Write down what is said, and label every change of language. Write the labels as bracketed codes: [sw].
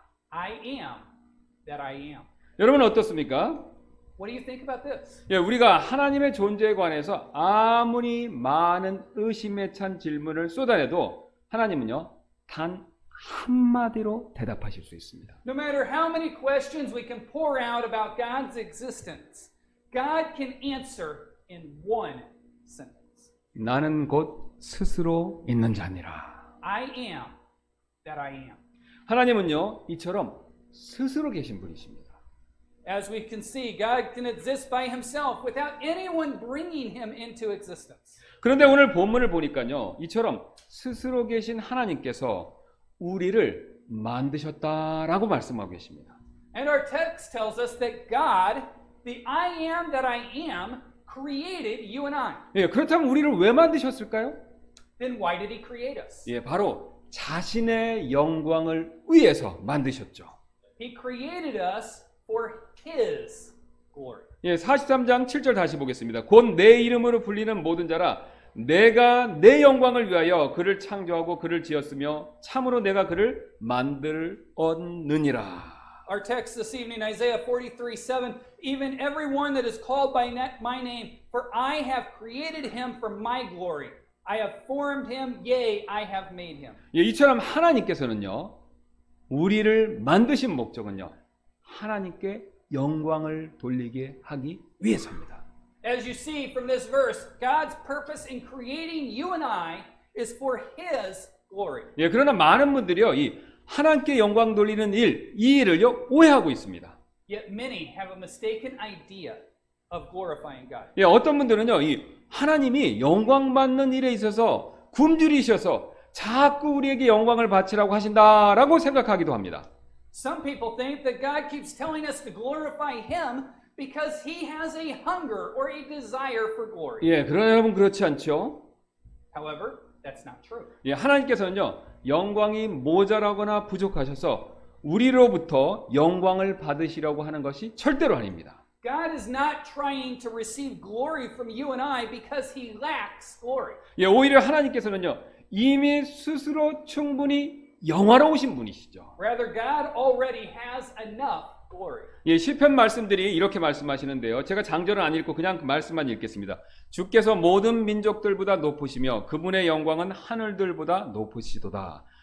[en] I am that I am. [ko] 여러분 어떻습니까? [en] What do you think about this? [ko] 예, 우리가 하나님의 존재에 관해서 아무리 많은 의심에 찬 질문을 쏟아내도 하나님은요, 단 한마디로 대답하실 수 있습니다. [en] No matter how many questions we can pour out about God's existence, God can answer in one sentence. [ko] 나는 곧 스스로 있는 자니라. [en] I am that I am. [ko] 하나님은요, 이처럼 스스로 계신 분이십니다. [en] As we can see, God can exist by himself without anyone bringing him into existence. [ko] 그런데 오늘 본문을 보니까요, 이처럼 스스로 계신 하나님께서 우리를 만드셨다라고 말씀하고 계십니다. [en] And our text tells us that God, the I am that I am, created you and I. [ko] 예, 그렇다면 우리를 왜 만드셨을까요? [en] Then why did he create us? [ko] 예, 바로 자신의 영광을 위해서 만드셨죠. [en] He created us for his glory. [ko] 예, 43장 7절 다시 보겠습니다. 곧 내 이름으로 불리는 모든 자라 내가 내 영광을 위하여 그를 창조하고 그를 지었으며 참으로 내가 그를 만들었느니라. [en] Our text this evening, Isaiah 43:7, even everyone that is called by my name, for I have created him for my glory. I have formed him, yea, I have made him. [ko] 예, 이처럼 하나님께서는요, 우리를 만드신 목적은요, 하나님께 영광을 돌리게 하기 위해서입니다. [en] As you see from this verse, God's purpose in creating you and I is for his glory. [ko] 예, 그러나 많은 분들이요, 이 하나님께 영광 돌리는 일, 이 일을요, 오해하고 있습니다. [en] Yet many have a mistaken idea of glorifying God. [ko] 예, 어떤 분들은요, 이 하나님이 영광 받는 일에 있어서 굶주리셔서 자꾸 우리에게 영광을 바치라고 하신다라고 생각하기도 합니다. [en] Some people think that God keeps telling us to glorify him because he has a hunger or a desire for glory. [ko] 예, 그러나 여러분 그렇지 않죠? [en] However, that's not true. [ko] 예, 하나님께서는요, 영광이 모자라거나 부족하셔서 우리로부터 영광을 받으시려고 하는 것이 절대로 아닙니다. [en] God is not trying to receive glory from you and I because he lacks glory. [ko] 예, 오히려 하나님께서는요, 이미 스스로 충분히 영화로우신 분이시죠. [en] Rather, God already has enough glory. [ko] 예, 시편 말씀들이 이렇게 말씀하시는데요. 제가 장절은 안 읽고 그냥 말씀만 읽겠습니다. 주께서 모든 민족들보다 높으시며 그분의 영광은 하늘들보다 높으시도다.